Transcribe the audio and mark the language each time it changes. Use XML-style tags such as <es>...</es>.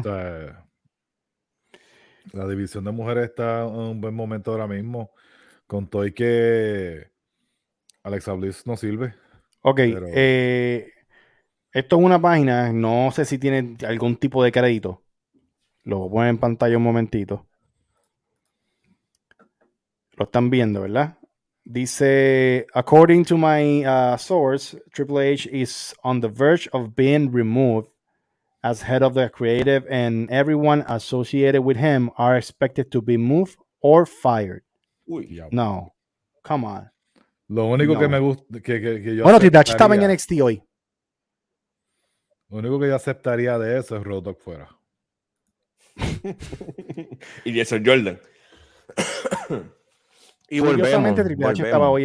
<es>O sea, la división de mujeres está en un buen momento ahora mismo. Contó y que Alexa Bliss no sirve. Ok, pero... esto es una página, no sé si tiene algún tipo de crédito. Lo voy a poner en pantalla un momentito. Lo están viendo, ¿verdad?</es> <en>Dice, according to my source, Triple H is on the verge of being removed as head of the creative and everyone associated with him are expected to be moved or fired.</en> <es>Uy,</es> <en>no, come on.</en> <es>Lo único no. Que me gusta que yo bueno, Triple H estaba en NXT hoy. Lo único que yo aceptaría de eso es Road Dogg fuera. Y de eso Jordan. Y volvemos. Triple H estaba hoy</es>